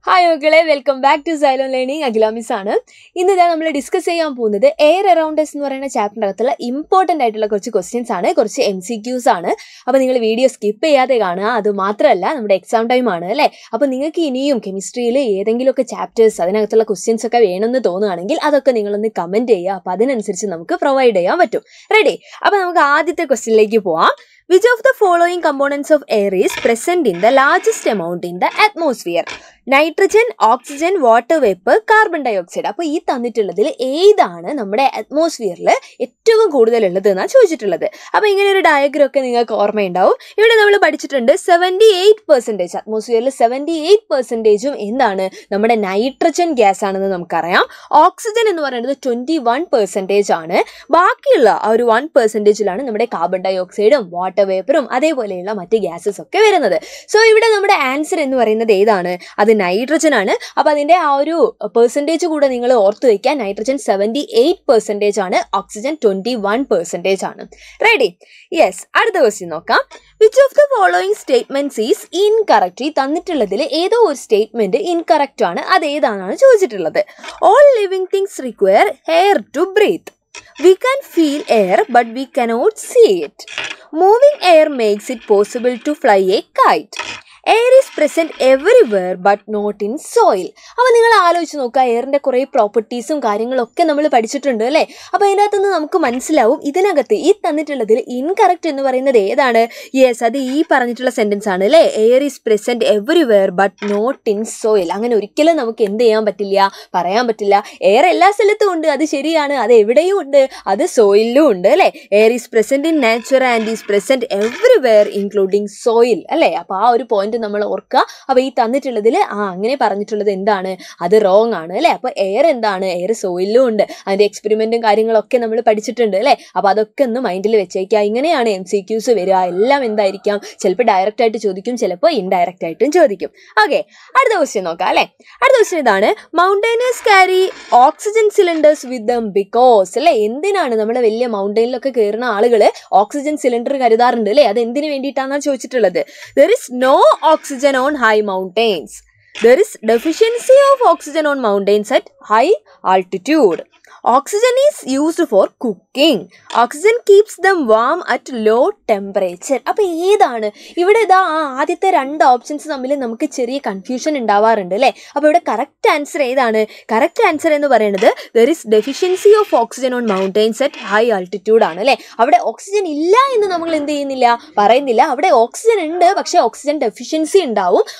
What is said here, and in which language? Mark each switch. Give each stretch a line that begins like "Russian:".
Malayalam: Hi മക്കളെ, welcome back to Ceylon learning. അഖിലാമിസ് ആണ്. ഇന്ന് ഞാൻ നമ്മൾ ഡിസ്കസ് ചെയ്യാൻ പോകുന്നത് എയർ അറൗണ്ടേഴ്സ് എന്ന് പറയുന്ന ചാപ്റ്ററിനകത്തുള്ള ഇമ്പോർട്ടൻ്റ് ആയിട്ടുള്ള കുറച്ച് ക്വസ്റ്റ്യൻസ് ആണ്, കുറച്ച് MCQs ആണ്. അപ്പോൾ നിങ്ങൾ വീഡിയോ സ്കിപ്പ് ചെയ്യാതെ കാണുക. അത് മാത്രമല്ല, നമ്മുടെ എക്സാം ടൈം ആണ് അല്ലേ. അപ്പോൾ നിങ്ങൾക്ക് ഇനിയും കെമിസ്ട്രിയിൽ ഏതെങ്കിലുമൊക്കെ ചാപ്റ്റേഴ്സ് അതിനകത്തുള്ള ക്വസ്റ്റ്യൻസ് ഒക്കെ വേണമെന്ന് തോന്നുകയാണെങ്കിൽ അതൊക്കെ നിങ്ങളൊന്ന് കമൻറ്റ് ചെയ്യുക. അപ്പോൾ അതിനനുസരിച്ച് നമുക്ക് പ്രൊവൈഡ് ചെയ്യാൻ പറ്റും. റെഡി? അപ്പോൾ നമുക്ക് ആദ്യത്തെ ക്വസ്റ്റ്യനിലേക്ക് പോവാം.
English: Which of the following components of air is present in the largest amount in the atmosphere? Nitrogen, oxygen, water vapor, carbon dioxide.
Malayalam: അപ്പോൾ ഈ തന്നിട്ടുള്ളതിൽ ഏതാണ് നമ്മുടെ അറ്റ്മോസ്ഫിയറിൽ ഏറ്റവും കൂടുതലുള്ളത് എന്നാണ് ചോദിച്ചിട്ടുള്ളത്. അപ്പോൾ ഇങ്ങനെ ഒരു ഡയഗ്രം ഒക്കെ നിങ്ങൾക്ക് ഓർമ്മയുണ്ടാവും. ഇവിടെ നമ്മൾ പഠിച്ചിട്ടുണ്ട് 78% അറ്റ്മോസ്ഫിയറിൽ 78% എന്താണ് നമ്മുടെ നൈട്രജൻ ഗ്യാസ് ആണെന്ന് നമുക്കറിയാം. ഓക്സിജൻ എന്ന് പറയുന്നത് 21% ആണ്. ബാക്കിയുള്ള ആ ഒരു 1%ലാണ് നമ്മുടെ കാർബൺ ഡയോക്സൈഡും വാട്ടർ വേപ്പറും അതേപോലെയുള്ള മറ്റ് ഗ്യാസസ് ഒക്കെ വരുന്നത്. സോ ഇവിടെ നമ്മുടെ ആൻസർ എന്ന് പറയുന്നത് ഏതാണ്? അത് നൈട്രജൻ ആണ്. അപ്പൊ അതിന്റെ ആ ഒരു പെർസെന്റേജ് കൂടെ നിങ്ങൾ ഓർത്തു വെക്കാൻ, നൈട്രജൻ 78% ആണ്, ഓക്സിജൻ 21% ആണ്. റെഡി? യെസ്. അടുത്ത ക്വസ്റ്റ്യൻ നോക്കാം.
English: Which of the following statements is incorrect?
Malayalam: ഈ തന്നിട്ടുള്ളതിൽ ഏതോ ഒരു സ്റ്റേറ്റ്മെന്റ് ഇൻകറക്റ്റ് ആണ്, അത് ഏതാണെന്നാണ് ചോദിച്ചിട്ടുള്ളത്.
English: All living things require air to breathe. We can feel air but we cannot see it. Moving air makes it possible to fly a kite. Air is present everywhere but not in soil.
Malayalam: അപ്പോൾ നിങ്ങൾ ആലോചിച്ച് നോക്കുക, എയറിൻ്റെ കുറേ പ്രോപ്പർട്ടീസും കാര്യങ്ങളൊക്കെ നമ്മൾ പഠിച്ചിട്ടുണ്ട് അല്ലേ. അപ്പോൾ അതിനകത്തു നിന്ന് നമുക്ക് മനസ്സിലാവും ഇതിനകത്ത് ഈ തന്നിട്ടുള്ളതിൽ ഇൻകറക്റ്റ് എന്ന് പറയുന്നത് ഏതാണ്. യെസ്, അത് ഈ പറഞ്ഞിട്ടുള്ള സെൻറ്റൻസ് ആണ് അല്ലേ.
English: Air is present everywhere but not in soil.
Malayalam: അങ്ങനെ ഒരിക്കലും നമുക്ക് എന്ത് ചെയ്യാൻ പറ്റില്ല, പറയാൻ പറ്റില്ല. എയർ എല്ലാ സ്ഥലത്തും ഉണ്ട്, അത് ശരിയാണ്. അത് എവിടെയും ഉണ്ട്, അത് സോയിലും ഉണ്ട് അല്ലേ.
English: Air is present in nature and is present everywhere including soil അല്ലേ.
Malayalam: അപ്പോൾ ആ ഒരു പോയിന്റ് നമ്മൾ ഓർക്കുക. അപ്പോൾ ഈ തന്നിട്ടുള്ളതിൽ ആ അങ്ങനെ പറഞ്ഞിട്ടുള്ളത് എന്താണ്, അത് റോങ് ആണ് അല്ലേ. അപ്പോൾ എയർ എന്താണ്, എയർ സോയിലും ഉണ്ട്. അതിൻ്റെ എക്സ്പെരിമെൻറ്റും കാര്യങ്ങളൊക്കെ നമ്മൾ പഠിച്ചിട്ടുണ്ട് അല്ലേ. അപ്പോൾ അതൊക്കെ ഒന്ന് മൈൻഡിൽ വെച്ചേക്കുക. ഇങ്ങനെയാണ് MCQs വരിക. എല്ലാം എന്തായിരിക്കാം, ചിലപ്പോൾ ഡയറക്റ്റ് ആയിട്ട് ചോദിക്കും, ചിലപ്പോൾ ഇൻഡയറക്റ്റ് ആയിട്ടും ചോദിക്കും. ഓക്കെ, അടുത്ത ക്വസ്റ്റ്യൻ നോക്കാം അല്ലേ. അടുത്ത ക്വസ്റ്റ്യൻ ഇതാണ്,
English: mountaineers carry oxygen cylinders with them because
Malayalam: അല്ലേ. എന്തിനാണ് നമ്മൾ വലിയ മൗണ്ടൈനിലൊക്കെ കയറുന്ന ആളുകൾ ഓക്സിജൻ സിലിണ്ടർ കരുതാറുണ്ട് അല്ലേ, അത് എന്തിനു വേണ്ടിയിട്ടാണെന്ന് ചോദിച്ചിട്ടുള്ളത്.
English: There is no oxygen on high mountains. There is deficiency of oxygen on mountains at high altitude. Oxygen is used for cooking. Oxygen keeps them warm at low temperature.
Malayalam: അപ്പോൾ ഏതാണ് ഇവിടെ? ഇതാ ആദ്യത്തെ രണ്ട് ഓപ്ഷൻസ് തമ്മിൽ നമുക്ക് ചെറിയ കൺഫ്യൂഷൻ ഉണ്ടാവാറുണ്ട് അല്ലേ. അപ്പോൾ ഇവിടെ കറക്റ്റ് ആൻസർ ഏതാണ്? കറക്റ്റ് ആൻസർ എന്ന് പറയുന്നത്
English: there is deficiency of oxygen on mountains at high altitude
Malayalam: ആണ് അല്ലേ. അവിടെ ഓക്സിജൻ ഇല്ല എന്ന് നമ്മൾ എന്ത് ചെയ്യുന്നില്ല, പറയുന്നില്ല. അവിടെ ഓക്സിജൻ ഉണ്ട്, പക്ഷേ ഓക്സിജൻ ഡെഫിഷ്യൻസി ഉണ്ടാവും.